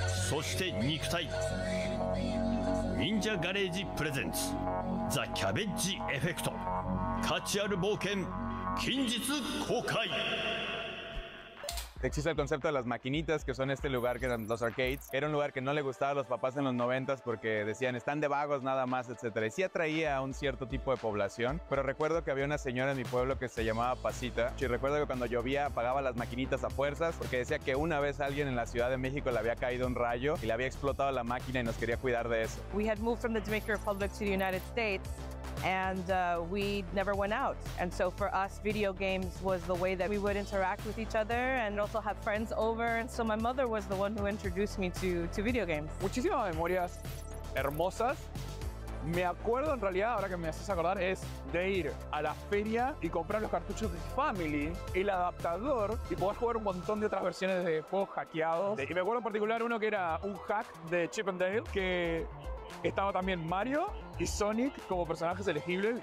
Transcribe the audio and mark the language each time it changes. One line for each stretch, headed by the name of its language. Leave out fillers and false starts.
Japanese: そして肉体。忍者ガレージプレゼンツ、ザ・キャベッジエフェクト、価値ある冒険、近日公開。
Spanish: Existe el concepto de las maquinitas, que son este lugar que eran los arcades. Era un lugar que no le gustaba a los papás en los 90s porque decían, están de vagos nada más, etc. Y sí atraía a un cierto tipo de población. Pero recuerdo que había una señora en mi pueblo que se llamaba Pasita. Y recuerdo que cuando llovía apagaba las maquinitas a fuerzas porque decía que una vez alguien en la Ciudad de México le había caído un rayo y le había explotado la máquina y nos quería cuidar de eso.
English: We had moved from the Dominican Republic to the United States. And we never went out. And so for us, video games was the way that we would interact with each other and also have friends over. And so my mother was the one who introduced me to video games.
Spanish: Muchísimas memorias hermosas. Me acuerdo en realidad, ahora que me haces acordar, es de ir a la feria y comprar los cartuchos de Family, el adaptador, y poder jugar un montón de otras versiones de juegos hackeados. Y me acuerdo en particular uno que era un hack de Chip and Dale, que estaba también Mario y Sonic como personajes elegibles.